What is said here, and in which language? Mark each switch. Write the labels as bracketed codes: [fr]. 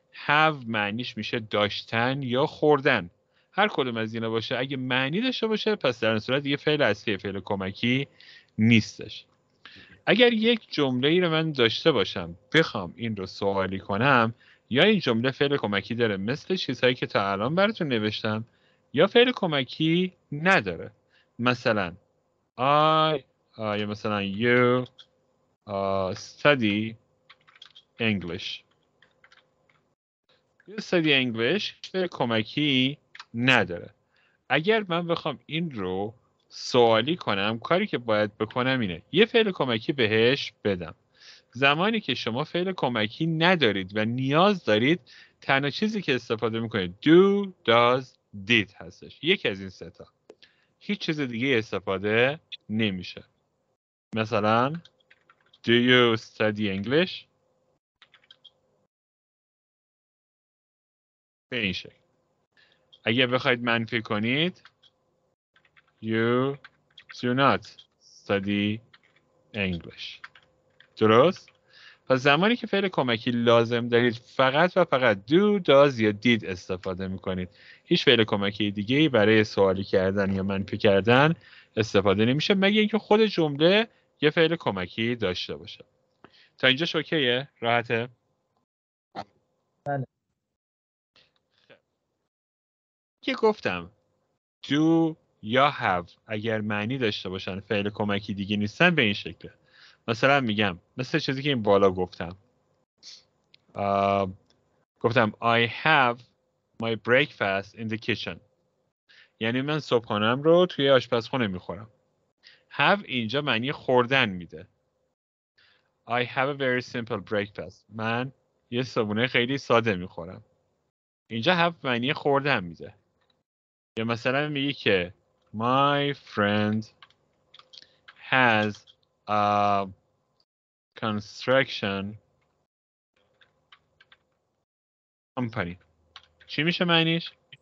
[fa] Have معنیش میشه داشتن یا خوردن. هر کدوم از اینا باشه اگه معنی داشته باشه پس در این صورت یه فعل اصلی، فعل کمکی نیستش. اگر یک جمله ای رو من داشته باشم بخوام این رو سوالی کنم، یا این جمله فعل کمکی داره مثل چیزهایی که تا الان براتون نوشتم، یا فعل کمکی نداره. مثلا مثلا [en] you study English. You study English [fa] فعل کمکی نداره. اگر من بخوام این رو سوالی کنم، کاری که باید بکنم اینه یه فعل کمکی بهش بدم. زمانی که شما فعل کمکی ندارید و نیاز دارید، تنها چیزی که استفاده میکنید do, does, did هستش. یکی از این سه تا. هیچ چیز دیگه استفاده نمیشه. مثلا [en] Do you study English؟ [fa] به این شکل. اگه بخواید منفی کنید [en] You do not study English. [fa] درست؟ پس زمانی که فعل کمکی لازم دارید فقط و فقط do, does یا did استفاده میکنید. هیچ فعل کمکی دیگه برای سوالی کردن یا منفی کردن استفاده نمیشه، مگه اینکه خود جمله یه فعل کمکی داشته باشه. تا اینجا شوکیه؟ راحته؟ بله. که گفتم do یا have اگر معنی داشته باشن فعل کمکی دیگه نیستن به این شکله. مثلا میگم مثل چیزی که این بالا گفتم، گفتم [en] I have my breakfast in the kitchen، [fa] یعنی من صبحانم رو توی آشپزخونه میخورم. Have اینجا معنی خوردن میده. [en] I have a very simple breakfast. [fa] من یه صبحونه خیلی ساده میخورم. اینجا have معنی خوردن میده. یا مثلا میگه که [en] My friend has a construction company. [fa] چی میشه معنیش؟